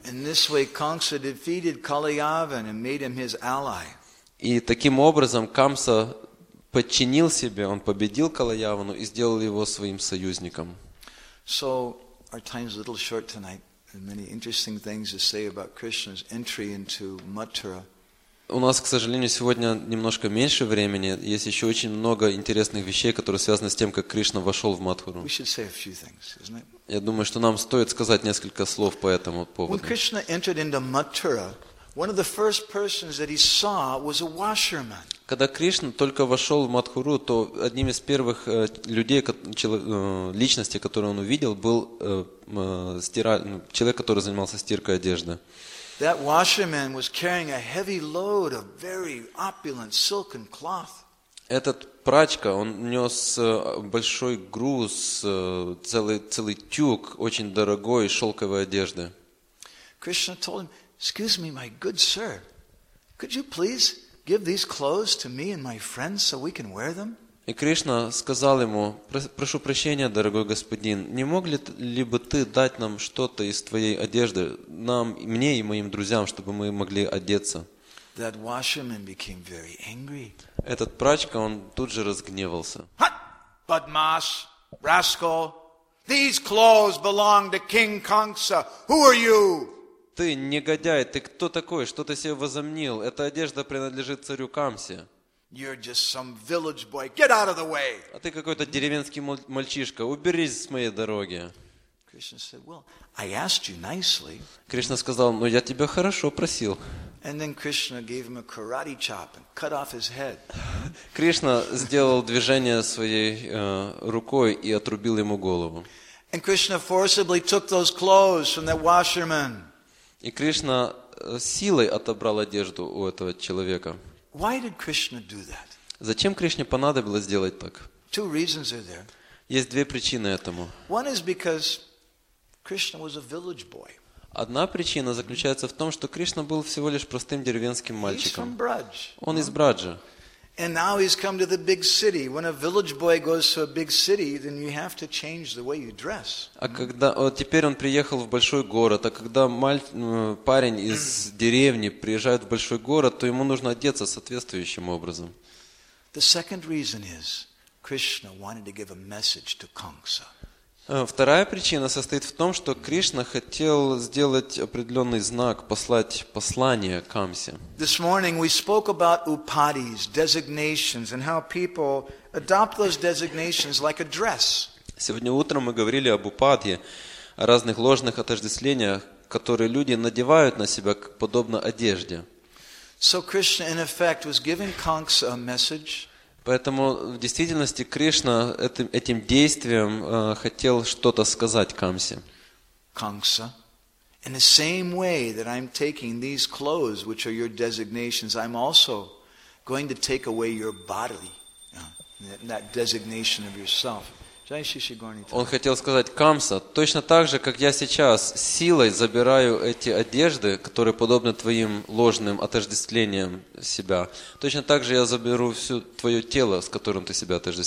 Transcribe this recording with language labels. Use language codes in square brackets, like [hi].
[en] In this way, Kamsa defeated Kalayavan and made him his ally. [ru] И таким образом Камса подчинил себе, он победил Калаявану и сделал его своим союзником. [en] So, our time is a little short tonight. There are many interesting things to say about Krishna's entry into Mathura. [ru] У нас, к сожалению, сегодня немножко меньше времени. Есть еще очень много интересных вещей, которые связаны с тем, как Кришна вошел в Матхуру. [en] We should say a few things, isn't it? [ru] Я думаю, что нам стоит сказать несколько слов по этому поводу. [en] When Krishna entered into Mathura, one of the first persons that he saw was a washerman. [ru] Когда Кришна только вошел в Матхуру, то одним из первых людей, личности, которые он увидел, был человек, который занимался стиркой одежды. [en] That washerman was carrying a heavy load of very opulent silken cloth. [ru] Этот прачка, он нес большой груз, целый тюк очень дорогой шелковой одежды. [en] Krishna told him, "Excuse me, my good sir, could you please give these clothes to me and my friends so we can wear them?" [ru] И Кришна сказал ему: "Прошу прощения, дорогой господин, не мог ли бы ты дать нам что-то из твоей одежды, нам, мне и моим друзьям, чтобы мы могли одеться?" [en] That washerman became very angry. [ru] Этот прачка, он тут же разгневался. [en] Badmash, rascal, these clothes belong to King Kamsa. Who are you? [ru] Ты негодяй, ты кто такой? Что ты себе возомнил? Эта одежда принадлежит царю Камсе. [en] You're just some village boy. Get out of the way. [ru] А ты какой-то деревенский мальчишка. Уберись с моей дороги. [en] Krishna said, "Well, I asked you nicely." [ru] Кришна сказал: "Ну я тебя хорошо просил." [en] And then Krishna gave him a karate chop and cut off his head. [ru] Кришна сделал движение своей рукой и отрубил ему голову. [en] And Krishna forcibly took those clothes from that washerman. [ru] И Кришна силой отобрал одежду у этого человека. [en] Why did Krishna do that? [ru] Зачем Кришне понадобилось сделать так? [en] Two reasons are there. [ru] Есть две причины этому. [en] One is because Krishna was a village boy. [ru] Одна причина заключается в том, что Кришна был всего лишь простым деревенским мальчиком. [en] He's from Braj. [ru] Он из Браджа. [en] And now he's come to the big city. When a village boy goes to a big city, then you have to change the way you dress. [ru] А когда теперь он приехал в большой город, а когда парень из деревни приезжает в большой город, то ему нужно одеться соответствующим образом. [en] The second reason is Krishna wanted to give a message to Kamsa. [ru] Вторая причина состоит в том, что Кришна хотел сделать определенный знак, послать послание Камсе. [en] This morning we spoke about upadis, designations, and how people adopt those designations like a dress. [ru] Сегодня утром мы говорили об упадье, о разных ложных отождествлениях, которые люди надевают на себя подобно одежде. [en] So Krishna, in effect, was giving Kamsa a message. [ru] Поэтому в действительности Кришна этим действием хотел что-то сказать Камсе. [en] Kamsa, in the same way that I'm taking these clothes, which are your designations, I'm also going to take away your bodily, that designation of yourself. [ru] Он хотел сказать: Камса, точно так же, как я сейчас силой забираю эти одежды, которые подобны твоим ложным отождествлениям себя, точно так же я заберу все твое тело, с которым ты себя